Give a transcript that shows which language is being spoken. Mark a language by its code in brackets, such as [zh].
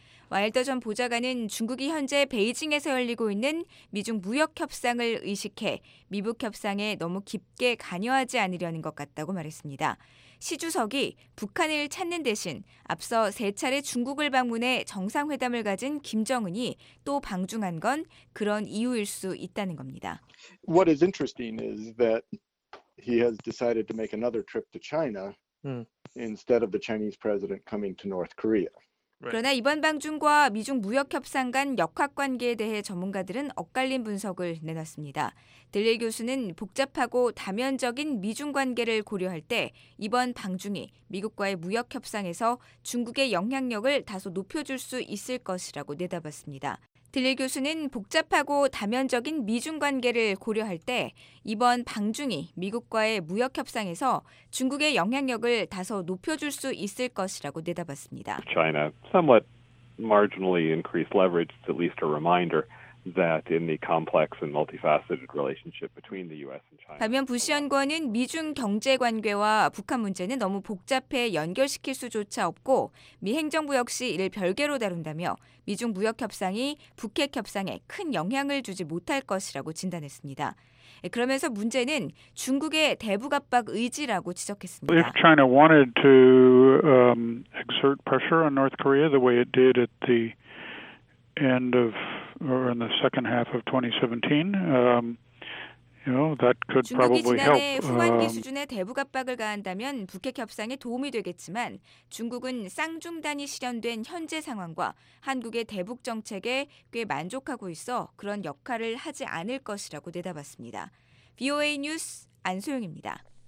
[ko] 와일더 전 보좌관은 중국이 현재 베이징에서 열리고 있는 미중 무역 협상을 의식해 미북 협상에 너무 깊게 관여하지 않으려는 것 같다고 말했습니다. 시 주석이 북한을 찾는 대신 앞서 세 차례 중국을 방문해 정상회담을 가진 김정은이 또 방중한 건 그런 이유일 수 있다는 겁니다. [en] What is interesting is that he has decided to make another trip to China instead of the Chinese president coming to North Korea. [ko] 그러나 이번 방중과 미중 무역 협상 간 역학관계에 대해 전문가들은 엇갈린 분석을 내놨습니다. 딜레이 교수는 복잡하고 다면적인 미중 관계를 고려할 때 이번 방중이 미국과의 무역 협상에서 중국의 영향력을 다소 높여줄 수 있을 것이라고 내다봤습니다. 딜레이 교수는 복잡하고 다면적인 미중 관계를 고려할 때 이번 방중이 미국과의 무역 협상에서 중국의 영향력을 다소 높여줄 수 있을 것이라고 내다봤습니다. [en] China somewhat marginally increased leverage is at least a reminder that in the complex and multifaceted relationship between the U.S. and China. [ko] 반면 부시 연구원은 미중 경제 관계와 북한 문제는 너무 복잡해 연결시킬 수조차 없고 미 행정부 역시 이를 별개로 다룬다며 미중 무역 협상이 북핵 협상에 큰 영향을 주지 못할 것이라고 진단했습니다. 그러면서 문제는 중국의 대북 압박 의지라고 지적했습니다. [en] If China wanted to exert pressure on North Korea the way it did at the end of or in the second half of 2017, you know, that could probably help. [ko] 중국이 지난해 후한기 수준의 대북 압박을 가한다면 북핵 협상에 도움이 되겠지만 중국은 쌍중단이 실현된 현재 상황과 한국의 대북 정책에 꽤 만족하고 있어 그런 역할을 하지 않을 것이라고 내다봤습니다. VOA 뉴스 안소영입니다.